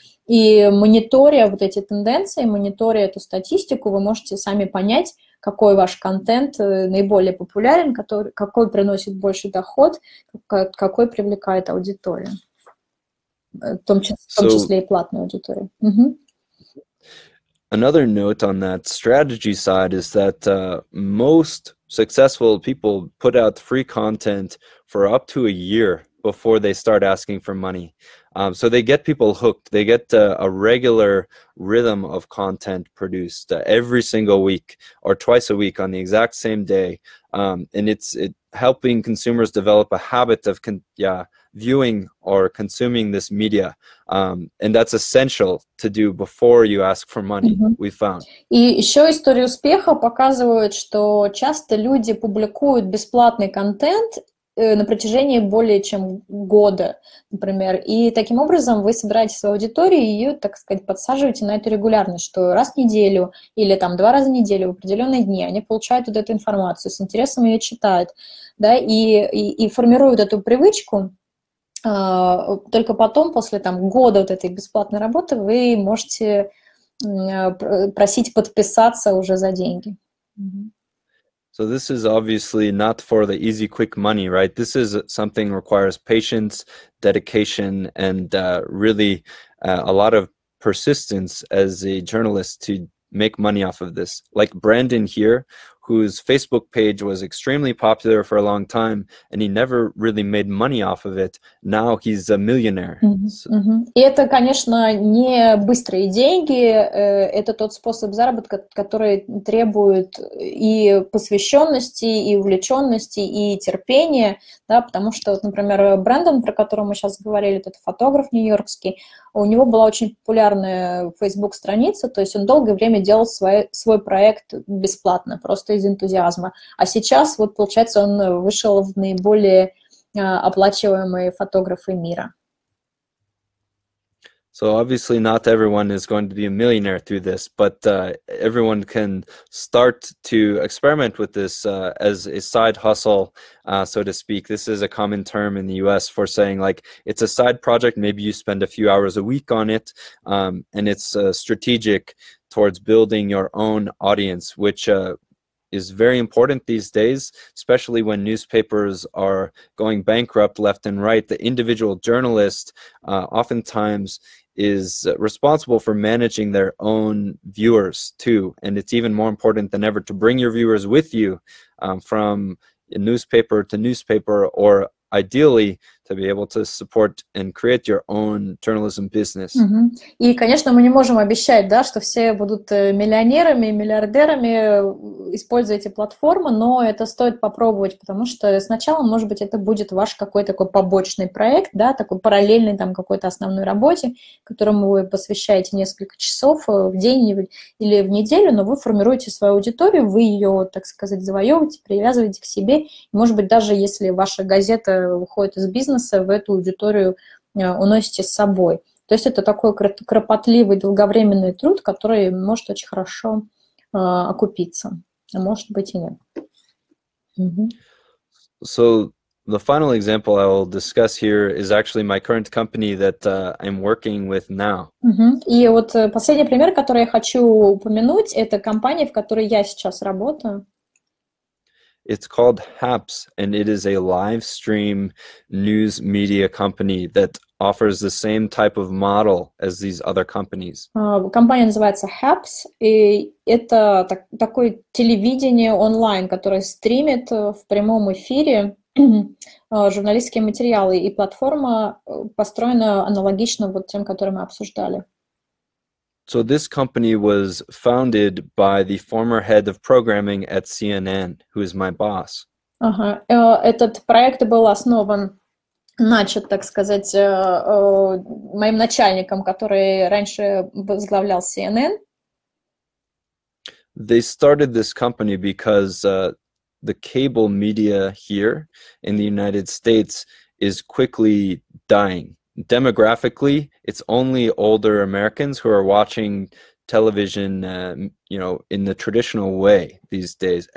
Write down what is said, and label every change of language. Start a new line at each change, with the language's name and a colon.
Russian: И мониторя вот эти тенденции, мониторя эту статистику, вы можете сами понять, какой ваш контент наиболее популярен, который, какой приносит больше доход, какой привлекает аудиторию, в том числе и платную аудиторию. Uh-huh.
English: Another note on that strategy side is that most successful people put out free content for up to a year before they start asking for money. So they get people hooked. They get a regular rhythm of content produced every single week or twice a week on the exact same day. And it's helping consumers develop a habit of viewing or consuming this media. And that's essential to do before you ask for money, mm-hmm. we found.
Russian: И еще история успеха показывает, что часто люди публикуют бесплатный контент на протяжении более чем года, например. И таким образом вы собираете свою аудиторию и ее, так сказать, подсаживаете на эту регулярность, что раз в неделю или там два раза в неделю в определенные дни они получают вот эту информацию, с интересом ее читают, да, и формируют эту привычку. Только потом, после там года вот этой бесплатной работы, вы можете просить подписаться уже за деньги.
English: So this is obviously not for the easy, quick money, right? This is something that requires patience, dedication, and really a lot of persistence as a journalist to make money off of this. Like Brandon here, whose Facebook page was extremely popular for a long time, and he never really made money off of it. Now he's a millionaire. Mm-hmm. So.
Russian: Mm-hmm. И это, конечно, не быстрые деньги. Это тот способ заработка, который требует и посвященности, и увлеченности, и терпения, да, потому что, вот, например, Брэндон, про которого мы сейчас говорили, этот фотограф нью-йоркский, у него была очень популярная Facebook-страница, то есть он долгое время делал свой проект бесплатно, просто из энтузиазма. А сейчас, вот получается, он вышел в наиболее оплачиваемые фотографы мира.
English: So obviously not everyone is going to be a millionaire through this, but everyone can start to experiment with this as a side hustle, so to speak. This is a common term in the US for saying, like, it's a side project, maybe you spend a few hours a week on it, and it's strategic towards building your own audience, which is very important these days, especially when newspapers are going bankrupt left and right. The individual journalist oftentimes is responsible for managing their own viewers too, and it's even more important than ever to bring your viewers with you from newspaper to newspaper, or ideally to be able to support and create your own journalism business. Mm-hmm.
Russian: И, конечно, мы не можем обещать, да, что все будут миллионерами и миллиардерами, используя эти платформы, но это стоит попробовать, потому что сначала, может быть, это будет ваш какой-то такой побочный проект, да, такой параллельный там какой-то основной работе, которому вы посвящаете несколько часов в день или в неделю, но вы формируете свою аудиторию, вы ее, так сказать, завоевываете, привязываете к себе. Может быть, даже если ваша газета выходит из бизнеса, в эту аудиторию уносите с собой. То есть это такой кропотливый, долговременный труд, который может очень хорошо окупиться. А может быть и нет. Mm-hmm.
English: So the final example I will discuss here is actually my current company that I'm working with now. Mm-hmm.
Russian: И вот последний пример, который я хочу упомянуть, это компания, в которой я сейчас работаю.
English: It's called Haps, and it is a live stream news media company that offers the same type of model as these other companies.
Russian: Компания называется Haps, и это такое телевидение онлайн, которое стримит в прямом эфире журналистские материалы, и платформа построена аналогично вот тем, которые мы обсуждали.
English: So this company was founded by the former head of programming at CNN, who is my boss.
Russian: Этот проект был основан, начат, так сказать, моим начальником, который раньше возглавлял CNN.
English: They started this company because the cable media here in the United States is quickly dying. Demographically, it's only older Americans who are watching television, you know, in the traditional way these days.